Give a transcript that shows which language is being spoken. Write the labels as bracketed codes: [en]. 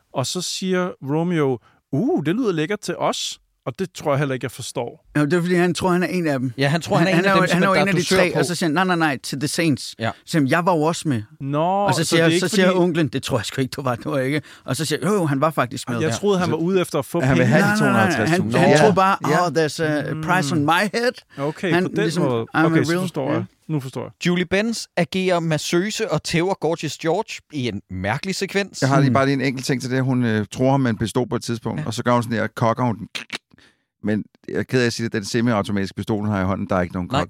[da] Og så siger Romeo, det lyder lækkert til os. Og det tror jeg heller ikke, jeg forstår. Ja, det er fordi, han tror, han er en af dem. Ja, han tror, han er en af de tre. Og så siger han, nej, til The Saints. Ja. Så siger han, jeg var jo også med. Nå, og så siger, siger onklen, det tror jeg sgu ikke, du var ikke. Og så siger han, han var faktisk med. Jeg troede, han var ude efter at få penge. Han vil have de Han troede bare, [en] there's a price on my head. [da] Okay, han, på den ligesom, måde. Okay, så forstår jeg. Nu forstår jeg. Julie Benz agerer massøse og tæver Gorgeous George i en mærkelig sekvens. Jeg har lige bare en enkelt ting til det. Hun tror ham med en pistol på et tidspunkt, og så gør hun sådan her, kokker hun den. Men jeg er ked af at sige, at den semiautomatiske pistol, hun har i hånden, der er ikke nogen kokbog.